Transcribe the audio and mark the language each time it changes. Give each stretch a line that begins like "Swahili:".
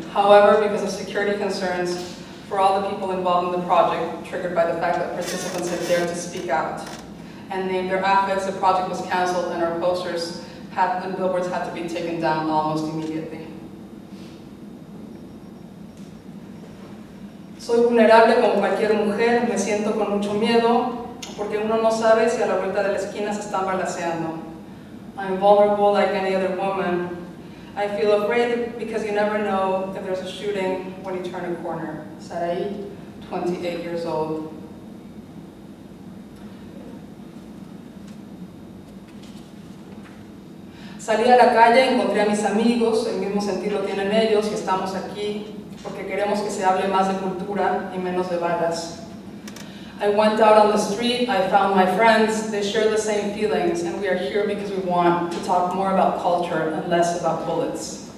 English: However, because of security concerns for all the people involved in the project, triggered by the fact that participants had dared to speak out and name their affects, the project was canceled and our posters and billboards had to be taken down almost immediately.
Spanish: Soy vulnerable como cualquier mujer, me siento con mucho miedo porque uno no sabe si a la vuelta de la esquina se están balaceando.
English: I'm vulnerable like any other woman. I feel afraid because you never know if there's a shooting when you turn a corner. Sarai, 28 years old.
Spanish: Salí a la calle, encontré a mis amigos, el mismo sentido tienen ellos y estamos aquí porque queremos que se hable más de cultura y menos de balas.
English: I went out on the street, I found my friends, they share the same feelings and we are here because we want to talk more about culture and less about bullets.